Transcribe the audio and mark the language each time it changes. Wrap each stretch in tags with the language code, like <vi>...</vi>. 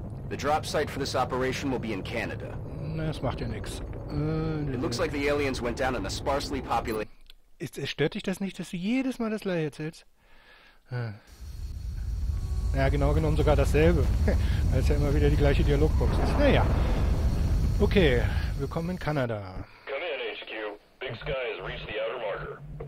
<en>The drop site for this operation will be in Canada.</en> <de>Das macht ja nichts.</de> <en>It looks like the aliens went down in a sparsely populated.</en> <de>Es stört dich das nicht, dass du jedes Mal das gleiche erzählst? Ja, genau genommen sogar dasselbe. Weil es ja immer wieder die gleiche Dialogbox ist. Naja. Okay, willkommen in Kanada.</de> <en>Come in, HQ. Big Sky has reached the outer marker.</en>